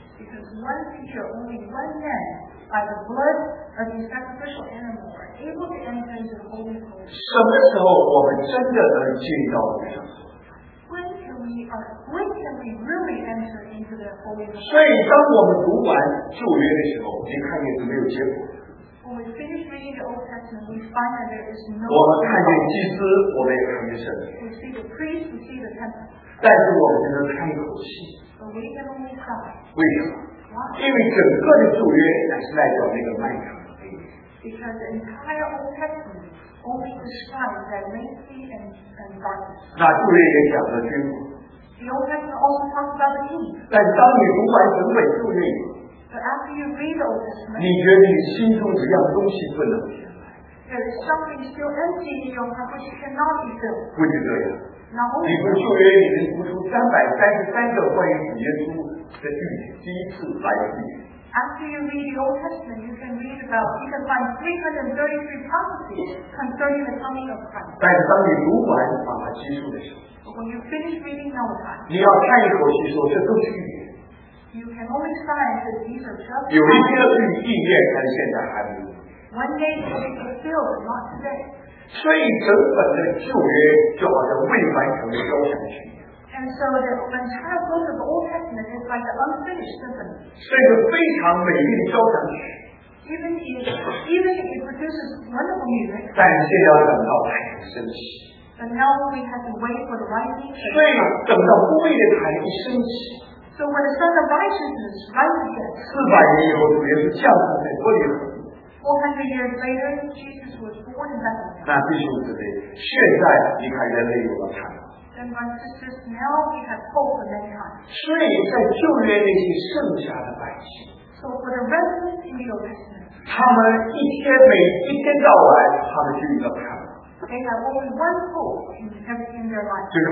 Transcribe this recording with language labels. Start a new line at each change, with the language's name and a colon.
English: Because one teacher, only one man, by the blood of the sacrificial animal, are able to enter into the holy place.
Chinese: 什么时候我们真的能进到这场？
English: When can we really enter into the holy place?
Chinese: 所以当我们读完旧约的时候，你看见是没有结果。
English: When we finish reading the Old Testament, we find that there is no.
Chinese: 我们看见祭司，我们也看见圣殿。
English: We see the priest, we see the temple.
Chinese: 但是我们只能叹一口气。
English: But we can only cry.
Chinese: 为什么？
English: Why?
Chinese: 因为整个的旧约乃是代表那个漫长的黑夜。
English: Because the entire Old Testament only describes that lengthy and darkness.
Chinese: 那旧约也讲了君王。
English: The Old Testament also talks about the king.
Chinese: 但当你读完整本旧约。
English: But after you read the Old Testament,
Chinese: 你觉得你心中有样东西不能填。
English: There is something still empty in your heart which cannot be filled.
Chinese: 不仅这样。
English: Not only.
Chinese: 你读旧约，你能读出333个关于主耶稣的预言，第一次来的预言。
English: After you read the Old Testament, you can find 333 prophecies concerning the coming of Christ.
Chinese: 但是当你读完马拉基书的时候，
English: But when you finish reading Malachi,
Chinese: 你要叹一口气说这都是预言。
English: You can only find that these are just.
Chinese: 有一些是预言，但现在还没有。
English: One day it will be fulfilled, not today.
Chinese: 所以整本的旧约就好像未完成的交响曲。
English: And so the entire book of the Old Testament is like an unfinished symphony.
Chinese: 是一个非常美丽的交响曲。
English: Even if it produces wonderful music.
Chinese: 但是要等到太阳升起。
English: But now we have to wait for the rising.
Chinese: 所以等到公义的太阳升起。
English: So when the Son of Righteousness rises,
Chinese: 400年以后，主耶稣降生在伯利恒。
English: 400 years later, Jesus was born in Bethlehem.
Chinese: 那弟兄姊妹，现在你看人类有了盼望。
English: Then my sisters, now we have hope for mankind.
Chinese: 所以在旧约那些剩下的百姓。
English: So for the remnant in the Old Testament.
Chinese: 他们一天每一天到晚，他们就遇到盼望。
English: they have only one hope in their life.